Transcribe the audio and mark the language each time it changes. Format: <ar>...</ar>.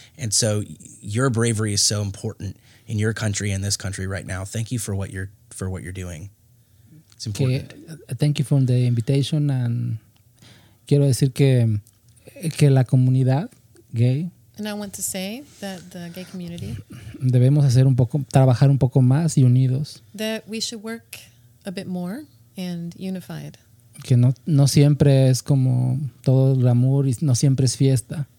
<en>And so your bravery is so important in your country and this country right now. Thank you for what you're doing. It's important. Okay. Thank you for the invitation, and</en> <es>quiero decir que la comunidad gay.</es> <en>And I want to say that the gay community.</en> <es>Debemos hacer un poco, trabajar un poco más y unidos.</es> <en>That we should work a bit more and unified.</en> <es>Que no siempre es como todo glamour y no siempre es fiesta.</es>